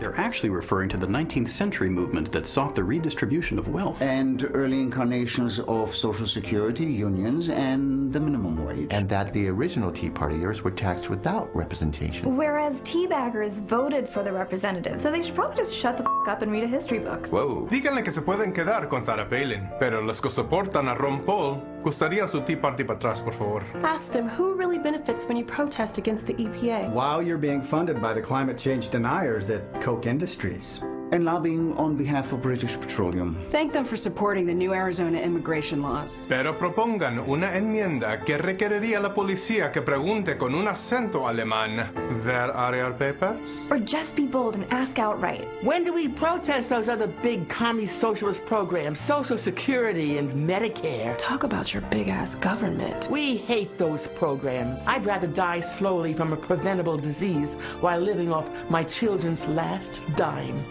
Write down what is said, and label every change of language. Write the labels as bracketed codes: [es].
[en] they're actually referring to the 19th century movement that sought the redistribution of wealth. And early incarnations of Social Security, unions, and the minimum wage. And that the original Tea Partiers were taxed without representation. Whereas teabaggers voted for the representatives, so they should probably just shut the f*** up and read a history book. Whoa. [es] Díganle que se pueden quedar con Sarah Palin, pero los que soportan a Ron Paul, gustaría su Tea Party para atrás, por favor. [en] Ask them who really benefits when you protest against the EPA. While you're being funded by the climate change deniers at Koch Industries. And lobbying on behalf of British Petroleum. Thank them for supporting the new Arizona immigration laws. [es] Pero propongan una enmienda que requeriría a la policía que pregunte con un acento alemán. [en] Where are your papers? Or just be bold and ask outright. When do we protest those other big commie socialist programs, Social Security and Medicare? Talk about your big-ass government. We hate those programs. I'd rather die slowly from a preventable disease while living off my children's last dime.